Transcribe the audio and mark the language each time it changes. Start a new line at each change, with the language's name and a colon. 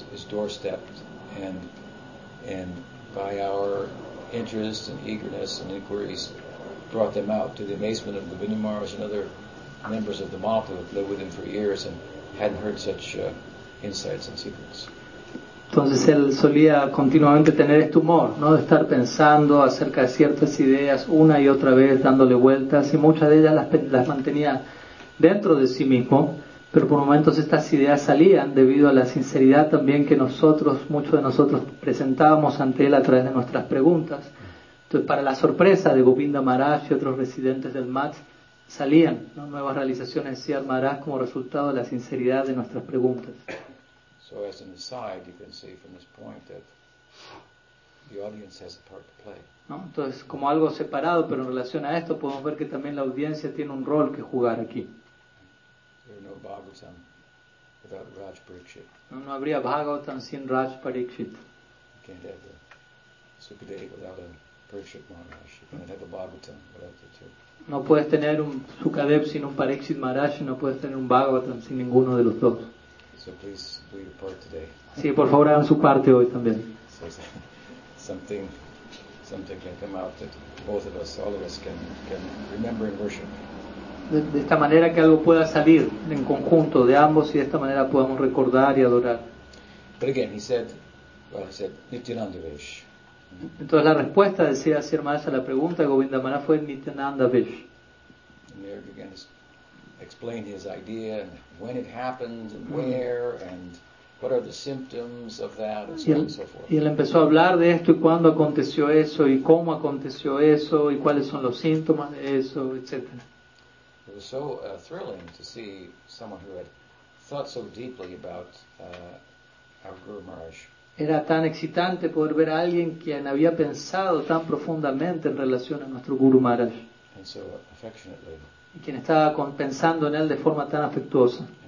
English: doorstep, and by our interest and eagerness and inquiries brought them out, to the amazement of Govinda Maharaj and other members of the Mahaprabhu who had lived with him for years and hadn't heard such insights and secrets.
Spanish: Entonces él solía continuamente tener este humor, ¿no? De estar pensando acerca de ciertas ideas una y otra vez, dándole vueltas, y muchas de ellas las mantenía dentro de sí mismo, pero por momentos estas ideas salían debido a la sinceridad también que nosotros, muchos de nosotros, presentábamos ante él a través de nuestras preguntas. Entonces, para la sorpresa de Govinda Maharaj y otros residentes del MAT, salían, ¿no?, nuevas realizaciones de Sian Maharaj como resultado de la sinceridad de nuestras preguntas.
English: So as an aside, you can see from this point that the audience has a part to play.
Spanish: ¿No? Entonces, como algo separado, pero en relación a esto, podemos ver que también la audiencia tiene un rol que jugar aquí.
English: There are no Bhagavatam without Raj Parikshit.
Spanish: No habría Bhagavatam sin Raj Parikshit.
English: You can't have the Sukadeva without a Parikshit Maharaj. You can't have a Bhagavatam without the two.
Spanish: No puedes tener un Sukadev sin un Parikshit Maharaj, y no puedes tener un Bhagavatam sin ninguno de los dos.
English: So please do your part today.
Spanish: Sí, por favor hagan su parte hoy también.
English: So something can come out that both of us, all of us, can remember and worship.
Spanish: De esta manera que algo pueda salir en conjunto de ambos y de esta manera podamos recordar y adorar.
English: But again, he said Nityananda Vish.
Spanish: Entonces la respuesta decía así, hermanas, a la pregunta de Govinda Maharaj fue Nityananda Vish.
English: Explain his idea and when it happened and where and what are the symptoms of that and so on and so forth.
Spanish: Y él empezó a hablar de esto y cuándo aconteció eso y cómo aconteció eso y cuáles son los síntomas de eso, etc.
English: It was so thrilling to see someone who had thought so deeply about our Guru Maharaj.
Spanish: Era tan excitante poder ver a alguien quien había pensado tan profundamente en relación a nuestro Guru Maharaj.
English: And so affectionately.
Spanish: Y quien estaba pensando en él de forma tan afectuosa.